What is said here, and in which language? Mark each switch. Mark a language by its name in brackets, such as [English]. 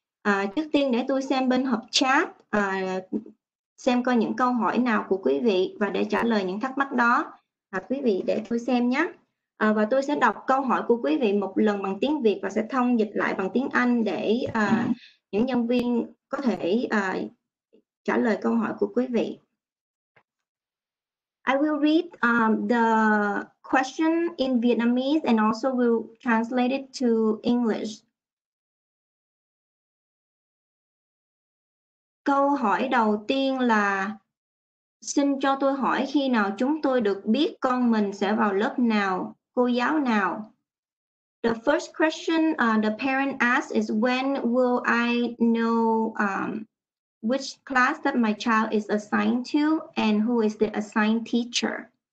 [Vietnamese] Trước tiên để tôi xem bên hộp chat, xem coi những câu hỏi nào của quý vị và để trả lời những thắc mắc đó. Quý vị để tôi xem nhé. Và tôi sẽ đọc câu hỏi của quý vị một lần bằng tiếng Việt và sẽ thông dịch lại bằng tiếng Anh để những nhân viên có thể trả lời câu hỏi của quý vị. [English] I will read the question in Vietnamese and also will translate it to English. [Vietnamese] Câu hỏi đầu tiên là xin cho tôi hỏi khi nào chúng tôi được biết con mình sẽ vào lớp nào, cô giáo nào? [English] The first question the parent asks is when will I know which class that my child is assigned to and who is the assigned teacher?